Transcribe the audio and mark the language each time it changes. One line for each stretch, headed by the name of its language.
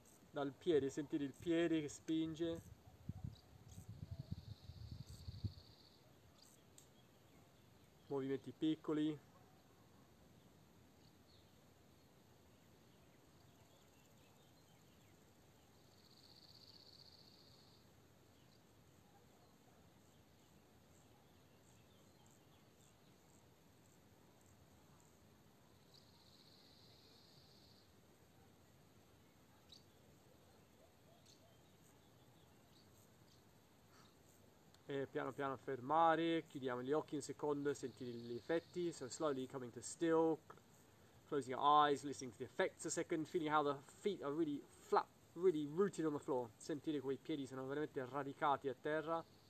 Italian: Dal piede, sentire il piede che spinge. Movimenti piccoli. E piano piano fermare, chiudiamo gli occhi un secondo, sentire gli effetti.
English: So slowly coming to still, closing your eyes, listening to the effects a second, feeling how the feet are really flat, really rooted on the floor.
Italian: Sentire quei piedi sono veramente radicati a terra.